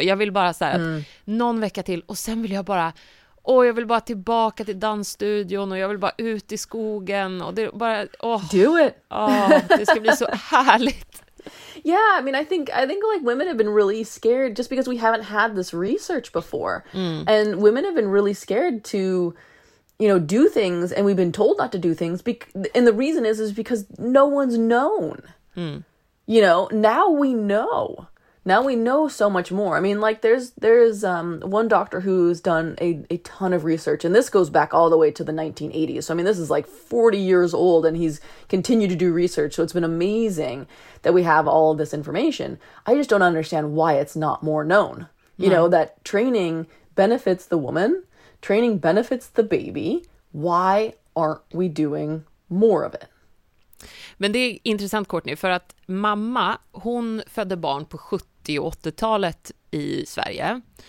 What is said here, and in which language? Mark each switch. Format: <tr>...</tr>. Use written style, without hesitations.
<sv>Jag vill bara så här att någon vecka till, och sen vill jag bara, jag vill bara tillbaka till dansstudion, och jag vill bara ut i skogen och det bara,</sv> <en>do it.</en> <sv>Det ska bli så härligt.</sv> <en>Yeah, I mean, I think like women have been really scared just because we haven't had this research before. Mm. And women have been really scared to, you know, do things, and we've been told not to do things, and the reason is because no one's known. Mm. You know, now we know. Now we know so much more. I mean, like, there's one doctor who's done a ton of research, and this goes back all the way to the 1980s. So, I mean, this is like 40 years old, and he's continued to do research. So it's been amazing that we have all of this information. I just don't understand why it's not more known. You know, that training benefits the woman, training benefits the baby. Why aren't we doing more of it?</en> <sv>Men det är intressant, Courtney, för att mamma, hon födde barn på 70- och 80-talet i Sverige.</sv>